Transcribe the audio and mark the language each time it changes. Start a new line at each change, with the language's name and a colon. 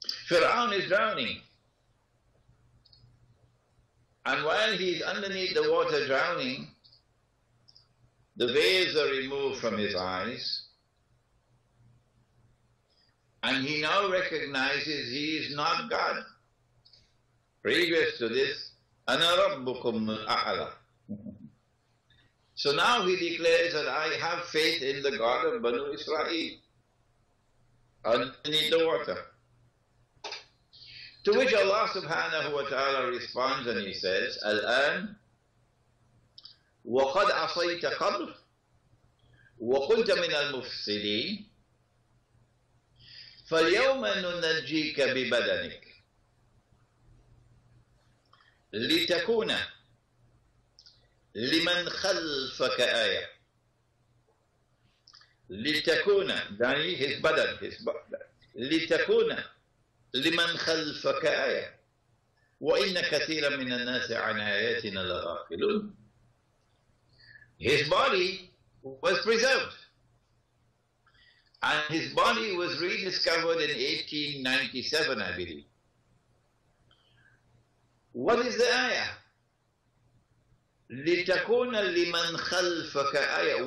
English: Fir'aun is drowning, and while he's underneath the water drowning, the veils are removed from his eyes, and he now recognizes he is not God. Previous to this,
Arabic: أَنَا رَبُّكُمْ أَعْلَى.
English: So now he declares that I have faith in the God of Banu Israel, underneath the water. To which Allah subhanahu wa ta'ala responds and he says,
Arabic: الآن وَقَدْ عَصَيْتَ قَبْلُ وَقُلْتَ مِنَ الْمُفْسِدِينَ فَالْيَوْمَ نُنَجِّيكَ بِبَدَنِكَ لِتَكُونَ لِمَنْ خَلْفَكَ آيَةً لِتَكُونَ يعني
English: his badan, his badan.
Arabic: لِتَكُونَ لِمَنْ خَلْفَكَ آيَةً وَإِنَّ كَثِيرًا مِنَ النَّاسِ عَنْ آيَاتِنَا لَغَافِلُونَ.
English: His body was preserved. And his body was rediscovered in 1897, I believe. What is the ayah?
Arabic: لِتَكُونَ لِمَنْ خَلْفَكَ ayah.